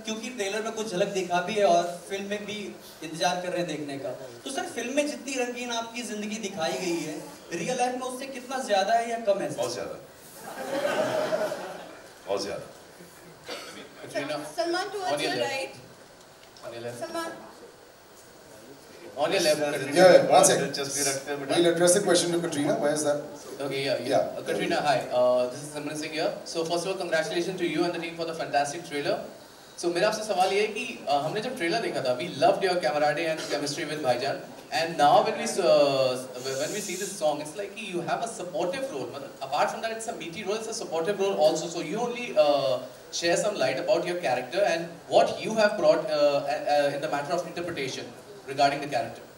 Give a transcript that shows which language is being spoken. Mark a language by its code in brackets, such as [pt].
[hi] क्योंकि ट्रेलर में कुछ झलक दिखा भी है और फिल्म में भी इंतजार कर रहे हैं देखने का, तो सर फिल्म में जितनी रंगीन आपकी जिंदगी दिखाई गई है रियल लाइफ में उससे कितना ज्यादा है या कम है? बहुत ज्यादा। बहुत ज्यादा। [en] Salman to your right, on your left, on your left. [hi] Yes, दिलचस्पी रखते हैं बेटा। [en] Will address the question to Katrina, why is that? Okay, yeah. Katrina, hi. This is Simran Singh here. So first of all, congratulations to you and the team for the fantastic trailer. [hi] So मेरा आपसे सवाल ये है कि हमने जब trailer देखा था, [en] we loved your camaraderie and chemistry with Bhaijaan. And now when we see this song, it's like you have a supportive role. But apart from that, it's a meaty role. It's a supportive role also. So you only share some light about your character and what you have brought in the matter of interpretation regarding the character.